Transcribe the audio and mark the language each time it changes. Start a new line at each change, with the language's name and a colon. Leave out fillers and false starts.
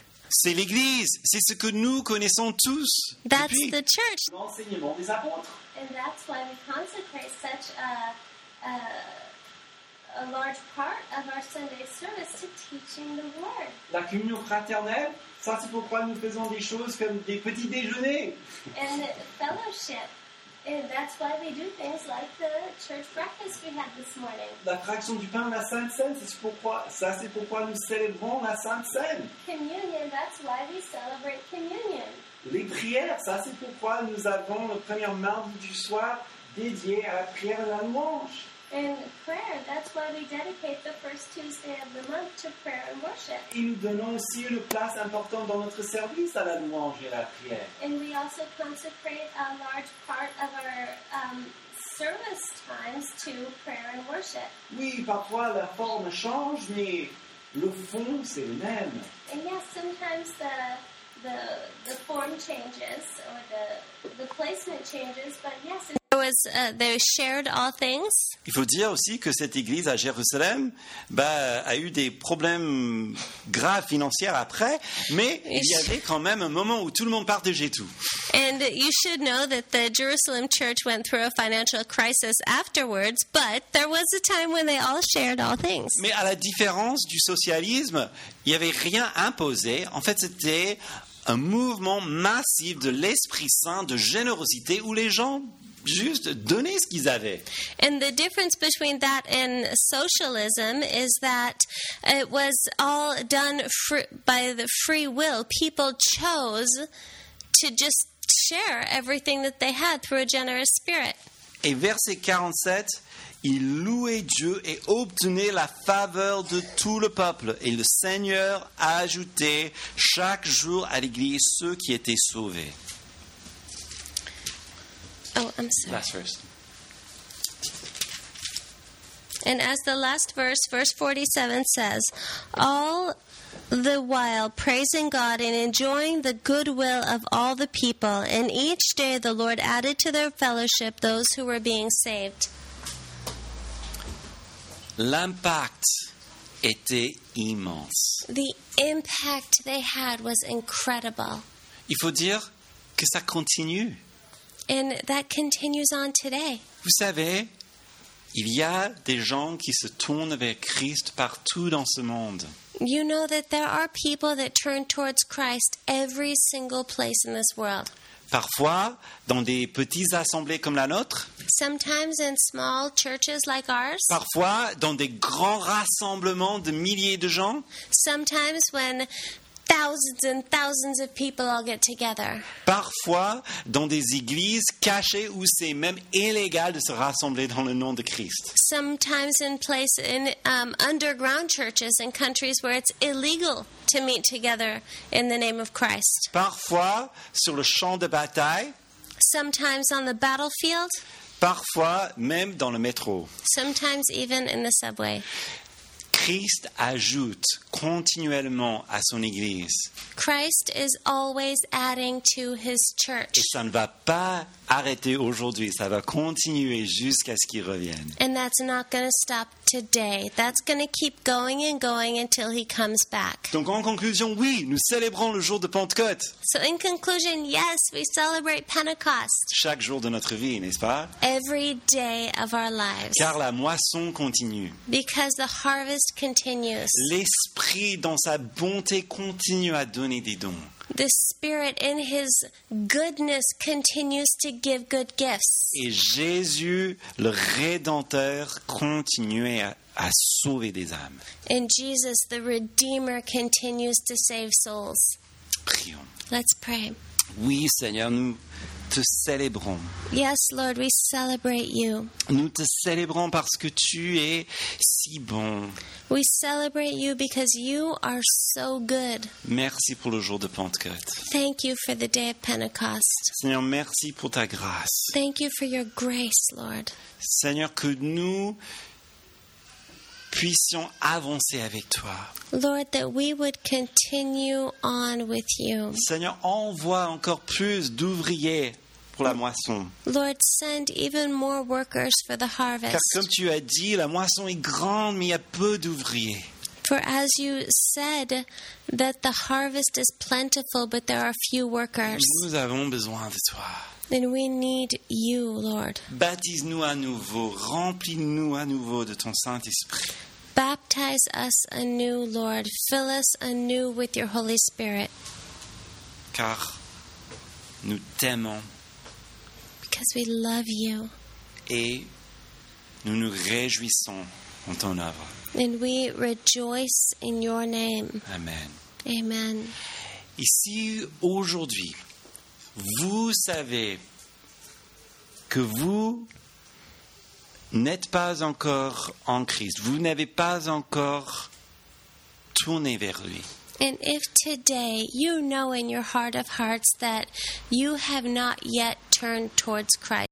French: C'est l'Église, c'est ce que nous connaissons tous.
English: That's the church.
French: L'enseignement des apôtres.
English: And that's why we consecrate such a large part of our Sunday service to teaching the word.
French: La communion fraternelle, ça c'est pourquoi nous faisons des choses comme des petits déjeuners.
English: And fellowship. And that's why we do things like the church breakfast we had this morning.
French: La fraction du pain, la Sainte Cène, c'est pourquoi nous célébrons la Sainte Cène.
English: Communion, that's why we celebrate communion.
French: Les prières, ça c'est pourquoi nous avons le premier mardi du soir dédié à la prière de la louange.
English: And prayer, that's why we dedicate the first Tuesday of the month to prayer and worship.
French: Et nous donnons aussi une place importante dans notre service à la louange et à la prière.
English: And we also consecrate a large part of our service times to prayer and worship.
French: Oui, parfois la forme change, mais le fond, c'est le même.
English: And yes, sometimes the form changes, or the placement changes, but yes, they shared all things.
French: Il faut dire aussi que cette église à Jérusalem a eu des problèmes graves financiers après, mais il y avait quand même un moment où tout le monde partageait tout.
English: And you should know that the Jerusalem church went through a financial crisis afterwards, but there was a time when they all shared all things.
French: Mais à la différence du socialisme, il n'y avait rien imposé. En fait, c'était un mouvement massif de l'Esprit Saint, de générosité, où les gens juste donner ce qu'ils avaient.
English: And the difference between that and socialism is that it was all done by the free will. People chose to just share everything that they had through a generous spirit.
French: Et verset 47, ils louaient Dieu et obtenaient la faveur de tout le peuple. Et le Seigneur ajoutait chaque jour à l'église ceux qui étaient sauvés.
English: Oh, I'm sorry. Last verse. And as the last verse, verse 47 says, all the while praising God and enjoying the goodwill of all the people, and each day the Lord added to their fellowship those who were being saved.
French: L'impact était immense.
English: The impact they had was incredible.
French: Il faut dire que ça continue.
English: And that continues on today.
French: Vous savez, il y a des gens qui se tournent vers Christ partout dans ce monde.
English: You know that there are people that turn towards Christ every single place in this world.
French: Parfois, dans des petites assemblées comme la nôtre.
English: Sometimes in small churches like ours.
French: Parfois, dans des grands rassemblements de milliers de gens.
English: Sometimes when thousands and thousands of people all get together.
French: Parfois, dans des églises cachées où c'est même illégal de se rassembler dans le nom de Christ.
English: Sometimes in place in underground churches in countries where it's illegal to meet together in the name of Christ.
French: Parfois, sur le champ de bataille.
English: Sometimes on the battlefield.
French: Parfois, même dans le métro.
English: Sometimes even in the subway.
French: Christ ajoute continuellement à son Église.
English: Christ is always adding to his church.
French: Et ça ne va pas arrêter aujourd'hui, ça va continuer jusqu'à ce qu'il revienne.
English: And that's not going to stop today. That's going to keep going and going until he comes back.
French: Donc en conclusion, oui, nous célébrons le jour de Pentecôte.
English: So in conclusion, yes, we celebrate Pentecost.
French: Chaque jour de notre vie, n'est-ce pas?
English: Every day of our lives.
French: Car la moisson continue.
English: Because the harvest continues.
French: L'Esprit dans sa bonté continue à donner des dons.
English: The Spirit in his goodness continues to give good gifts.
French: Et Jésus, le Rédempteur, continue à sauver des âmes.
English: And Jesus, the Redeemer, continues to save souls.
French: Prions.
English: Let's pray.
French: Oui, Seigneur, nous te célébrons.
English: Yes, Lord, we celebrate you.
French: Nous te célébrons parce que tu es si bon.
English: We celebrate you because you are so good.
French: Merci pour le jour de Pentecôte.
English: Thank you for the day of Pentecost.
French: Seigneur, merci pour ta grâce.
English: Thank you for your grace, Lord.
French: Seigneur, que nous puissions avancer avec toi.
English: Lord, that we would continue on with you.
French: Seigneur, envoie encore plus d'ouvriers pour la moisson.
English: Lord, send even more workers for the harvest.
French: Car comme tu as dit, la moisson est grande, mais il y a peu d'ouvriers.
English: For as you said, that the harvest is plentiful, but there are few workers.
French: Nous avons besoin de toi.
English: Then we need you, Lord.
French: Baptise-nous à nouveau, remplis-nous à nouveau de ton Saint-Esprit.
English: Baptize us anew, Lord. Fill us anew with your Holy Spirit.
French: Car nous t'aimons.
English: Because we love you.
French: Et nous nous réjouissons en ton œuvre.
English: And we rejoice in your name.
French: Amen.
English: Amen.
French: Ici aujourd'hui, vous savez que vous n'êtes pas encore en Christ. Vous n'avez pas encore tourné vers lui.
English: And if today you know in your heart of hearts that you have not yet turned towards Christ.